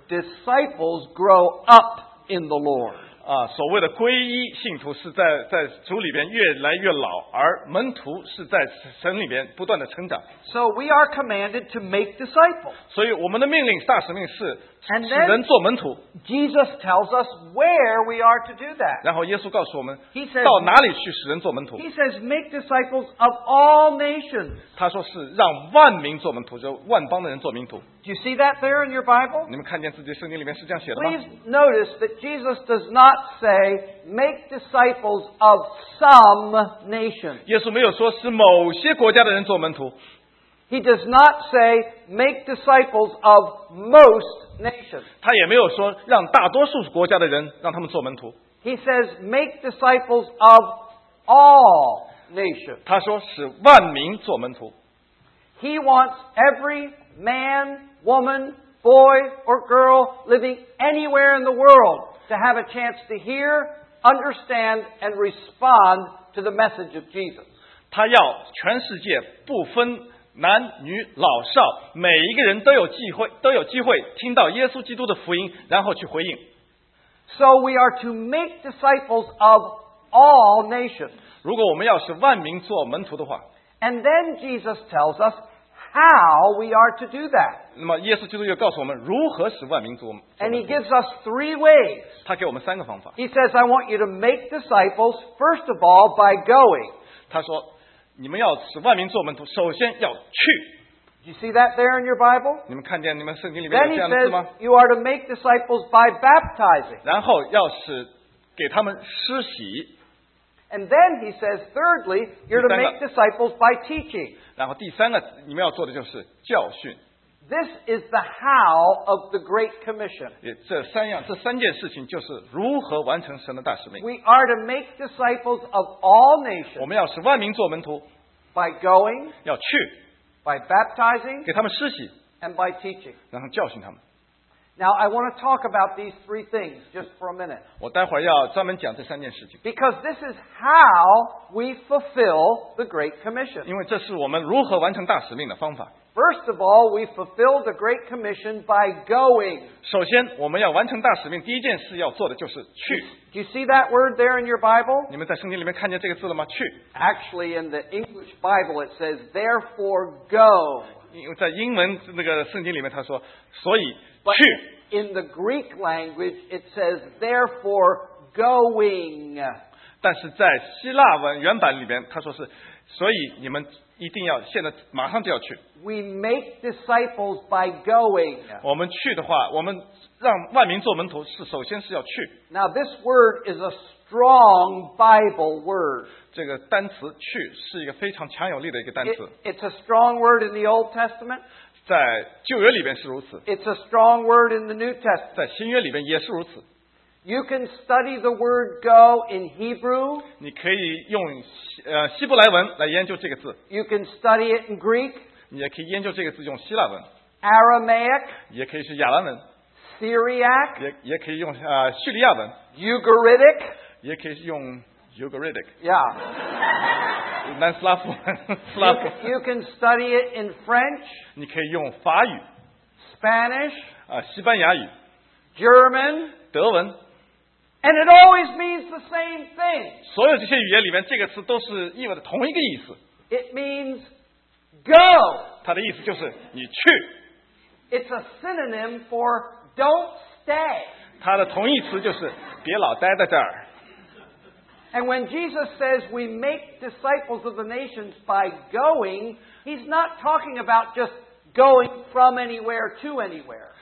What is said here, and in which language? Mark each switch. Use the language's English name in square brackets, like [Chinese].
[English] Disciples grow up in the Lord. [Chinese] 所谓的皈依信徒是在主里边越来越老，而门徒是在神里边不断的成长。 [English] So we are commanded to make disciples. [Chinese] 所以我们的命令，大使命是使人做门徒。 [English] Jesus tells us where we are to do that. [Chinese] 然后耶稣告诉我们 [English] he says, [Chinese] 到哪里去使人做门徒。 [English] He says, make disciples of all nations. [Chinese] 他说是让万民做门徒，就万邦的人做门徒。 [English] Do you see that there in your Bible? [Chinese] 你们看见自己圣经里面是这样写的吗？ [English] Please notice that Jesus does not say, make disciples of some nations. [Chinese] 耶稣没有说是某些国家的人做门徒。 [English] He does not say, make disciples of most nations. [Chinese] 他也没有说让大多数国家的人让他们做门徒。 [English] He says, make disciples of all nations. [Chinese] 他说使万民做门徒。 [English] He wants every man, woman, boy or girl living anywhere in the world to have a chance to hear, understand and respond to the message of Jesus. [Chinese] 他要全世界不分男女老少，每一个人都有机会听到耶稣基督的福音，然后去回应。 [English] So we are to make disciples of all nations. [Chinese] 如果我们要使万民做门徒的话。 [English] And then Jesus tells us how we are to do that. [Chinese] 那么耶稣基督又告诉我们如何使万民做门徒。 [English] And he gives us three ways. [Chinese] 他给我们三个方法。 [English] He says, I want you to make disciples first of all by going. [Chinese] 他说你们要使万民做门徒，首先要去。 [English] Do you see that there in your Bible? [Chinese] 你们看见你们圣经里面有这样的字吗？ [English] Then he says, you are to make disciples by baptizing. [Chinese] 然后要使给他们施洗。 [English] And then he says, thirdly, you're to make disciples by teaching. [Chinese] 然后第三个你们要做的就是教训。 [English] This is the how of the Great Commission. [Chinese] 这三件事情就是如何完成神的大使命。 [English] We are to make disciples of all nations. [Chinese] 我们要使万民做门徒。 [English] By going. [Chinese] 要去。 [English] By baptizing. [Chinese] 给他们施洗。 [English] And by teaching. [Chinese] 然后教训他们。 [English] Now I want to talk about these three things just for a minute. [Chinese] 我待会儿要专门讲这三件事情。 [English] Because this is how we fulfill the Great Commission. [Chinese] 因为这是我们如何完成大使命的方法。 [English] First of all, we fulfill the Great Commission by going. [Chinese] 首先，我们要完成大使命，第一件事要做的就是去。 [English] Do you see that word there in your Bible? [Chinese] 你们在圣经里面看见这个字了吗？去。 [English] Actually, in the English Bible, it says, therefore go. [Chinese] 因为在英文那个圣经里面，他说，所以去。 [English] In the Greek language, it says, therefore going. [Chinese] 但是在希腊文原版里面，他说是，所以你们一定要现在马上就要去。 [English] We make disciples by going. [Chinese] 我们去的话，我们让万民做门徒是首先是要去。 [English] Now this word is a strong Bible word. [Chinese] 这个单词去是一个非常强有力的一个单词。 [English] It's a strong word in the Old Testament. [Chinese] 在旧约里边是如此。 [English] It's a strong word in the New Testament. [Chinese] 在新约里边也是如此。 [English] You can study the word go in Hebrew. [Chinese] 你可以用希伯来文来研究这个字。 [English] You can study it in Greek. [Chinese] 你也可以研究这个字用希腊文。 [English] Aramaic. [Chinese] 也可以是亚兰文。 [English] Syriac. [Chinese] 也可以用叙利亚文。 [English] Ugaritic. [Chinese] 也可以用 Ugaritic. [English] Yeah. [Chinese] 南斯拉夫文。 [English] You can study it in French. [Chinese] 你可以用法语。 [English] Spanish. [Chinese] 西班牙语。 [English] German. [Chinese] 德文。 [English] And it always means the same thing. [Chinese] 所有这些语言里面, 这个词都是意味着同一个意思。 [English] It means go. [Chinese] 它的意思就是你去。 [English] It's a synonym for don't stay. [Chinese] 它的同义词就是别老待在这儿。 [English] And when Jesus says we make disciples of the nations by going, he's not talking about just going from anywhere to anywhere.